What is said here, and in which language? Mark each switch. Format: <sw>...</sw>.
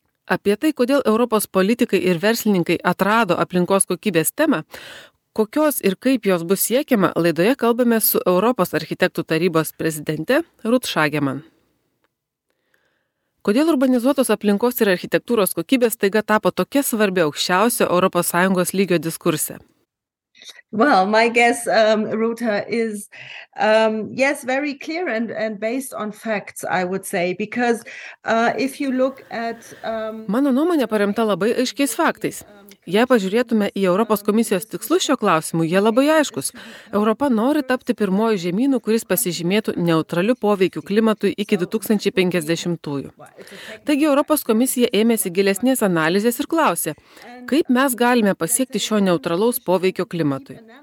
<lt>Apie tai, kodėl Europos politikai ir verslininkai atrado aplinkos kokybės temą, kokios ir kaip jos bus siekiama, laidoje kalbame su Europos architektų tarybos prezidente Ruth Shageman. Kodėl urbanizuotos aplinkos ir architektūros kokybės taiga tapo tokia svarbi aukščiausio Europos Sąjungos lygio diskurse?</lt> <en>Well, my guess, Ruta, is yes, very clear and based on facts, I would say, because if you look at</en> <lt>Mano nuomonė paremta labai aiškiais faktais. Jei pažiūrėtume į Europos komisijos tikslus šio klausimu, jie labai aiškus. Europa nori tapti pirmoju žemynu, kuris pasižymėtų neutraliu poveikiu klimatui iki 2050-ųjų. Taigi Europos komisija ėmėsi gilesnės analizės ir klausė, kaip mes galime pasiekti šio neutralaus poveikio klimatui.</lt>